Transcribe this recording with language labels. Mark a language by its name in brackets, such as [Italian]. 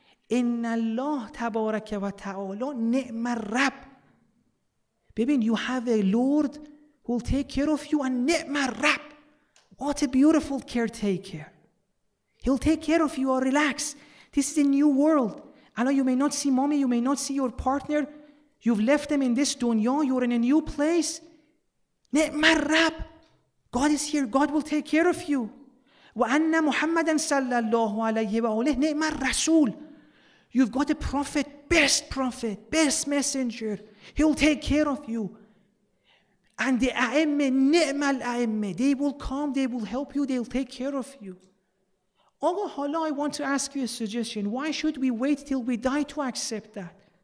[Arabic] إن الله تبارك وتعالى نعم الرب. [English] Baby, you have a Lord who will take care of you, and [Arabic] نعم الرب. [English] What a beautiful caretaker. He'll take care of you. Relax. This is a new world. I know you may not see mommy, you may not see your partner. You've left them in this dunya. You're in a new place. [Arabic] نعم الرب. [English] God is here. God will take care of you. [Arabic] وأن محمد صلى الله عليه وآله نعم الرسول. [English] You've got a prophet, best messenger. He'll take care of you. And the a'imma, [Arabic] ni'ma al-a'imma, [English] they will come, they will help you, they'll take care of you. Oh, hala, I want to ask you a suggestion. Why should we wait till we die to accept that?